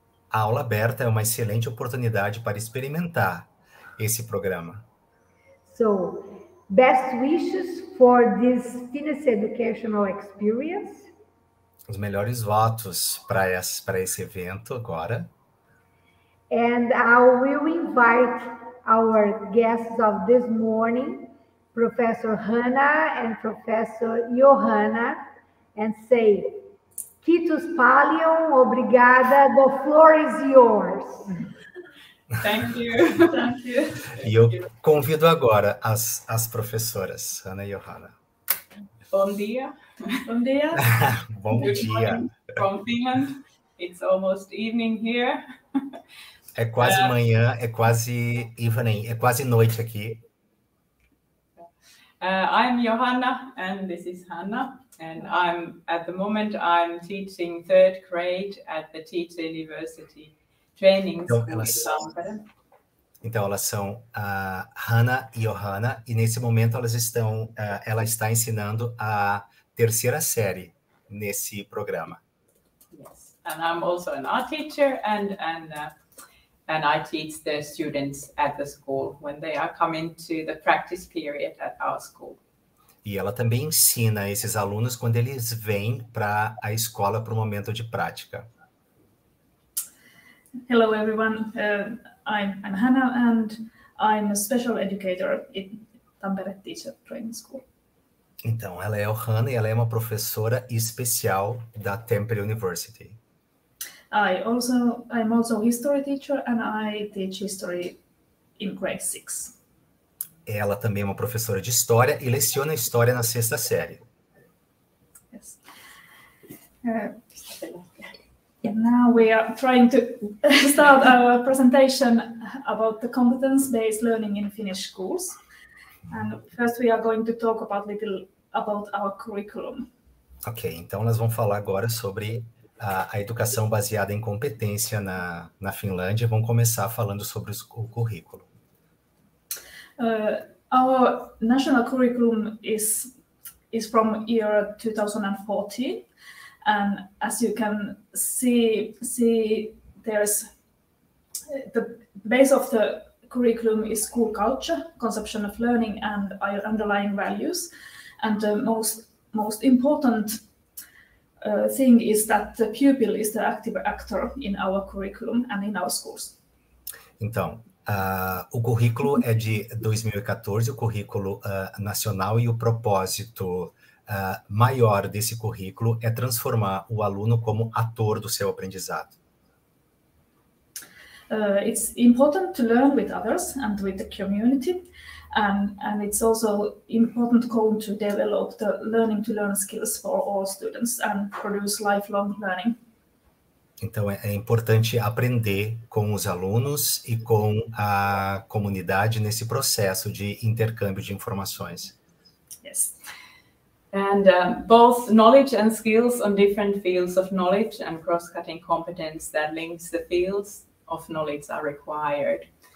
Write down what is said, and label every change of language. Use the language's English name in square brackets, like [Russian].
[Portuguese] A aula aberta é uma excelente oportunidade para experimentar esse programa. [English] So, best wishes for this fitness educational experience. [Portuguese] Os melhores votos para esse evento agora. [English] And I will invite our guests of this morning, Professor Hanna and Professor Johanna, and say, [Finnish] Kitos Palion, [Portuguese] obrigada, [English] the floor is yours. Thank you. [Portuguese] E eu convido agora as professoras, Hanna e Johanna. Bom dia. Bom dia. [English] From Finland, it's almost evening here. [Portuguese] É quase manhã, é quase [English] evening, [Portuguese] é quase noite aqui. [English] I'm Johanna, and this is Hanna, and I'm at the moment I'm teaching third grade at the Teacher University Training School. [Portuguese] Então elas são a Hanna e Johanna, e nesse momento elas estão, ela está ensinando a terceira série nesse programa. [English] Yes, and I'm also an art teacher, and I teach the students at the school when they are coming to the practice period at our school. [Portuguese] E ela também ensina esses alunos quando eles vêm para a escola para o momento de prática. [English] Hello everyone, I'm Hanna and I'm a special educator in Tampere Teacher Training School. [Portuguese] Então, ela é o Hanna e ela é uma professora especial da Tampere University. [English] I'm also a history teacher and I teach history in grade 6. [Portuguese] Ela também é uma professora de história e leciona história na sexta série. [English] Yes. Now we are trying to start our presentation about the competence-based learning in Finnish schools. And first we are going to talk about little about our curriculum. [Portuguese] Ok, então nós vamos falar agora sobre a educação baseada em competência na Finlândia. Vamos começar falando sobre o currículo. [English] Our national curriculum is from year 2014. And as you can see, there's the base of the curriculum is school culture, conception of learning, and underlying values. And the most important thing is that the pupil is the active actor in our curriculum and in our schools. [Portuguese] Então, o currículo é de 2014, o currículo nacional, e o propósito maior desse currículo é transformar o aluno como ator do seu aprendizado. [English] It's important to learn with others and with the community, and it's also important goal to develop the learning to learn skills for all students and produce lifelong learning. [Portuguese] Então é importante aprender com os alunos e com a comunidade nesse processo de intercâmbio de informações. [English] Yes. And both knowledge and skills on different fields of knowledge and cross-cutting competence that links the fields of knowledge are required.